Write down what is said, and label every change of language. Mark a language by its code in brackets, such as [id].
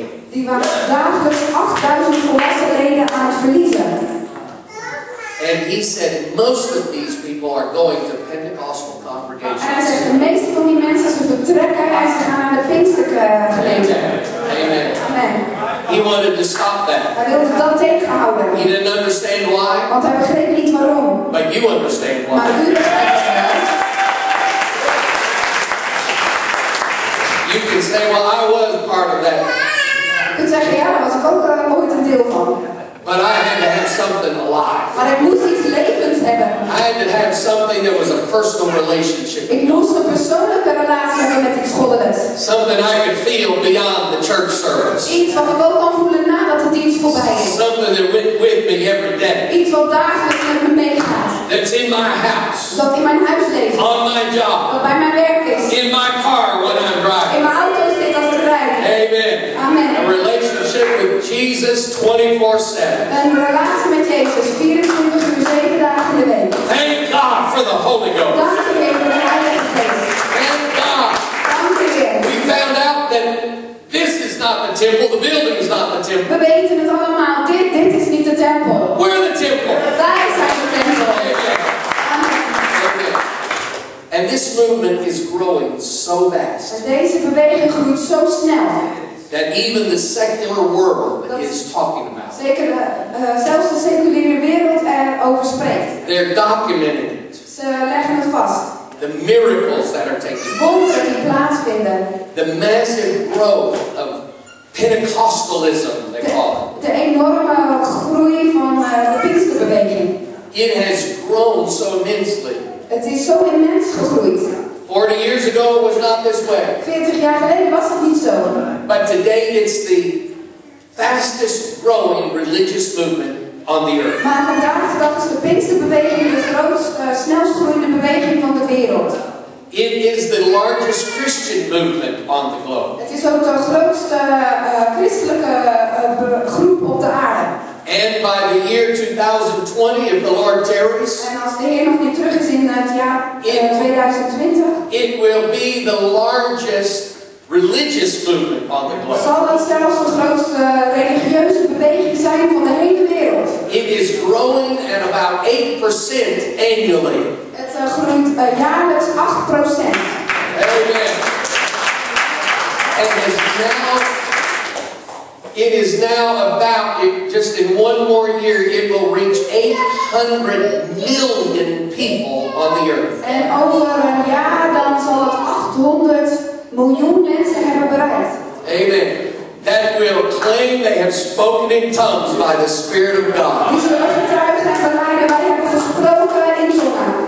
[nl] Die was dagelijks 8,000 volwassen leden aan het verliezen. [en] And he said most of these people are going to Pentecostal congregations. [nl] En hij zegt de meeste van die mensen ze vertrekken en ze gaan naar de Pinkstergemeente. [en] Amen. [nl] Amen. [en] He wanted to stop that. [nl] Hij wilde dat tegenhouden. [en] He didn't understand why. [nl] Want hij begreep niet waarom. [en] But you understand why. [nl] Maar u begrijpt waarom. [en] You can say, well, I was part of that. [nl] Je kunt zeggen, ja, daar was ik ook ooit een deel van. [en] But I had to have something alive. [nl] Maar ik moest iets levends hebben. [en] I had to have something that was a personal relationship. [nl] Ik moest een persoonlijke relatie hebben met iets goddelijks. [en] Something I could feel beyond the church service. [nl] Iets wat ik ook kan voelen nadat de dienst voorbij is. [en] Something that went with me every day. [nl] Iets wat dagelijks met me meegaat. [en] That's in my house. [nl] Dat in mijn huis leeft. [en] On my job. [nl] Dat bij mijn werk is. [en] In my car when I'm driving. [nl] In mijn auto zit als ik rijd. [en] Amen. [nl] Amen. [en] A relationship with Jesus 24/7. [nl] Een relatie met Jezus 24 uur 7 dagen in de week. [en] Thank God for the Holy Ghost. [nl] Dank je voor de Heilige Geest. [en] Thank God. [nl] Dank je. [en] We found out that this is not the temple. The building is not the temple. [nl] We weten het allemaal. Dit is niet de tempel. [en] We're the temple. [nl] Wij zijn de tempel. [en] And this movement is growing so fast. [nl] En deze beweging groeit zo snel. [en] That even the secular world is talking about. [nl] Zeker zelfs de seculiere wereld erover spreekt. [en] They're documenting it. [nl] Ze leggen het vast. [en] The miracles that are taking place. [nl] Wonderen die plaatsvinden. [en] The massive growth of Pentecostalism, they call it. [nl] De enorme groei van de Pinksterbeweging. [en] It has grown so immensely. [nl] Het is zo immens gegroeid. [en] 40 years ago it was not this way. [nl] 40 jaar geleden was het niet zo. [en] But today it's the fastest growing religious movement on the earth. [nl] Maar vandaag de dag is de Pinksterbeweging de snelst groeiende beweging van de wereld. [en] It is the largest Christian movement on the globe. [nl] Het is ook de grootste christelijke groep op de aarde. [en] And by the year 2020, if the Lord tarries, [nl] en als de Heer nog niet terug is in het jaar 2020, [en] it will be the largest religious movement on the globe. [nl] Zal dat zelfs de grootste religieuze beweging zijn van de hele wereld? [en] It is growing at about 8% annually. [nl] Het groeit jaarlijks 8%. [en] Amen. And is now. It is now about, just in one more year, it will reach 800 million people on the earth. [nl] En over een jaar dan zal het 800 miljoen mensen hebben bereikt. [en] Amen. That will claim they have spoken in tongues by the Spirit of God. [nl] Die zullen getuigen en beleiden, wij hebben gesproken in tongen.